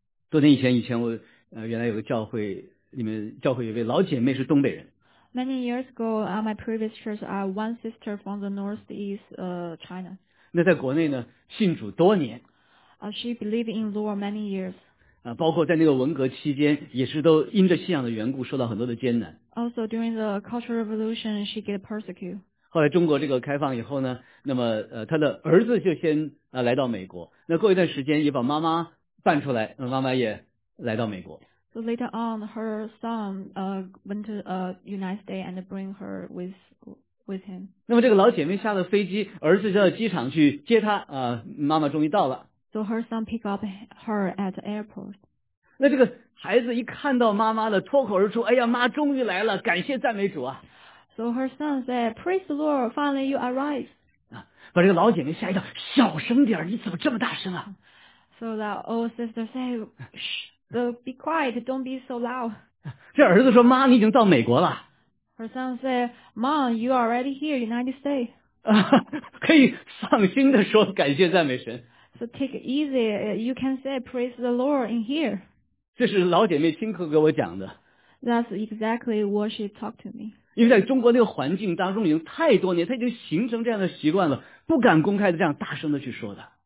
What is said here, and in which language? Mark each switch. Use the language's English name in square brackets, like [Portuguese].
[Chinese] 多年以前我原来有个教会，里面教会有位老姐妹是东北人。 [English] Many years ago, my previous church, one sister from the northeast China. [Chinese] 那在国内呢，信主多年。 [English] She believed in Lord many years. [Chinese] 包括在那个文革期间，也是都因着信仰的缘故，受到很多的艰难。 [English] Also during the Cultural Revolution, she get persecuted. [Chinese] 后来中国这个开放以后呢，那么他的儿子就先来到美国。那过一段时间也把妈妈办出来，妈妈也来到美国。 [English] So later on, her son went to United States and bring her with him. [Chinese] 那么这个老姐妹下了飞机，儿子就到机场去接她。妈妈终于到了。 [English] So her son pick up her at the airport. [Chinese] 那这个孩子一看到妈妈的，脱口而出：“哎呀，妈终于来了，感谢赞美主啊！” [English] So her son said, "Praise the Lord, finally you arrive." [Chinese] 把这个老姐妹吓一跳，小声点，你怎么这么大声啊 [English] ？So the old sister said, "Shh, so be quiet, don't be so loud." [Chinese] 这儿子说：“妈，你已经到美国了。 [English] ”Her son said, "Mom, you are already here, United States." [Chinese] 可以放心的说感谢赞美神。 [English] So take it easy, you can say praise the Lord in here. [Chinese] 这是老姐妹亲口给我讲的。 [English] That's exactly what she talked to me. [Chinese] 因为在中国那个环境当中已经太多年，她已经形成这样的习惯了，不敢公开的这样大声的去说的。